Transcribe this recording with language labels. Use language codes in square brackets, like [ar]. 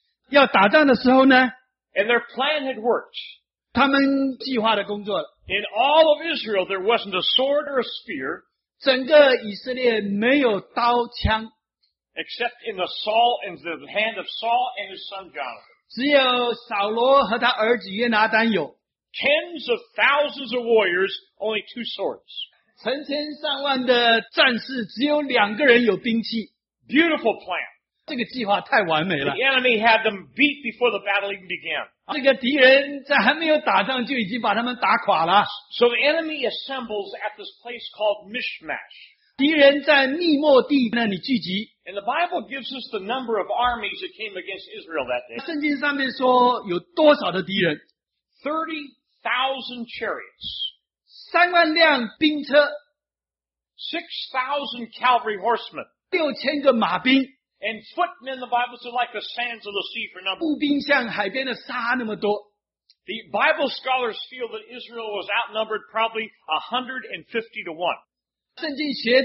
[zh] 要打仗的时候呢, [en] and their plan had worked. [zh] 他们计划的工作了。 [en] In all of Israel, there wasn't a sword or a spear, [zh] 整个以色列没有刀枪, [en] except in the Saul and the hand of Saul and his son Jonathan. [zh] 只有扫罗和他儿子约拿单有。 [en] Tens of thousands of warriors, only two swords. [zh] 成千上万的战士, [en] beautiful plan. [zh] 这个计划太完美了。 [en] The enemy had them beat before the battle even began. [zh] 这个敌人在还没有打仗就已经把他们打垮了。 [en] So the enemy assembles at this place called Mishmash. [zh] 敌人在密莫地那里聚集。 [en] And the Bible gives us the number of armies that came against Israel that day. [zh] 圣经上面说有多少的敌人? [en] 30,000 chariots. [zh] 3万辆兵车, [en] 6,000 cavalry horsemen. [zh] 6,000个马兵, [en] and footmen, the Bible said, like the sands of the sea for number. [zh] 步兵像海边的沙那么多, [en] the Bible scholars feel that Israel was outnumbered probably 150 to 1.